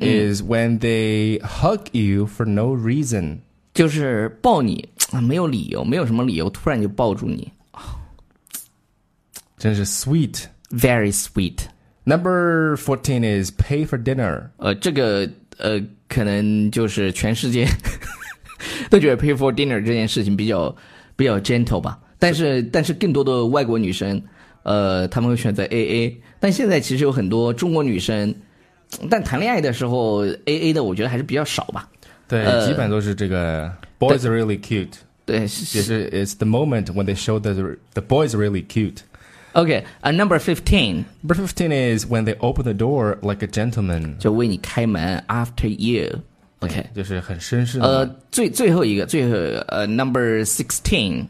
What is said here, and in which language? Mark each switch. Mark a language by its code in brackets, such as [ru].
[en] is when they hug you for no reason， [zh] 就是抱你没有理由，没有什么理由，突然就抱住你，真是 sweet， [en] very sweet。 Number fourteen is pay for dinner， [zh] 这个可能就是全世界都觉得 [en] pay for dinner [zh] 这件事情比较 gentle 吧，但是更多的外国女生。他们会选择 AA， 但现在其实有很多中国女生，但谈恋爱的时候 AA 的我觉得还是比较少吧。对，基本都是这个 [en] boys are really cute。 [zh] 对，也是 [en] it's the moment when they show the boys are really cute。 Okay, number 15. Number 15 is when they open the door like a gentleman， [zh] 就为你开门 [en] after you。 [zh] OK，就是很绅士的。最后一个，number 16。